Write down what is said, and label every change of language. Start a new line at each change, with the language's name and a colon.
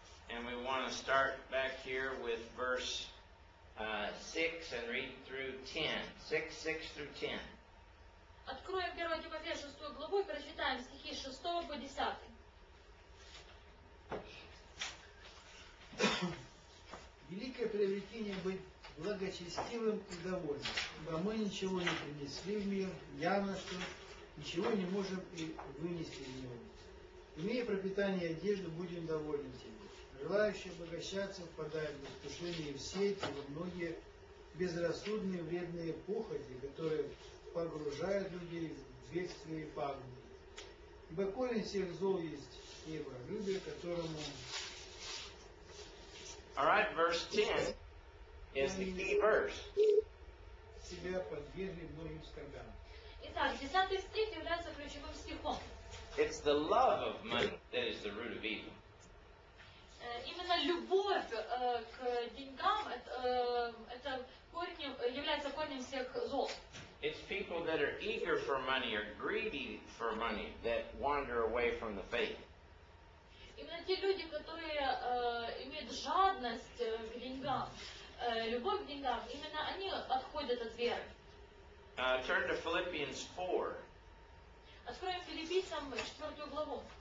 English: And we want to start back here with verse 6 and read through 10. 6 through 10.
Russian: Откроем 1 Тимофея 6 главу и прочитаем стихи 6 по 10. Великое приобретение быть благочестивым и довольным, ибо мы ничего не принесли в мир, явно ничего не можем и вынести в него. Имея пропитание и одежду, будем довольны тебе. Желающие обогащаться впадают в искушение и в сети, во многие безрассудные вредные похоти, которые погружают людей в бедствие и пагубы. Ибо корень всех зол есть евролюбие, которому...
English: Alright, verse 10 is the key verse.
Russian: Себя подвергли многим скорбям. Итак, 10 стих является ключевым стихом.
English: It's the love of money that is the root of evil.
Russian: Именно любовь к деньгам это корнем, является корнем всех зол.
English: It's people that are eager for money or greedy for money that wander away from the faith.
Russian: Именно те люди, которые имеют жадность к деньгам, любовь к деньгам, именно они отходят от веры.
English: Turn to Philippians 4.
Russian: Откроем Филиппийцам 4 главу.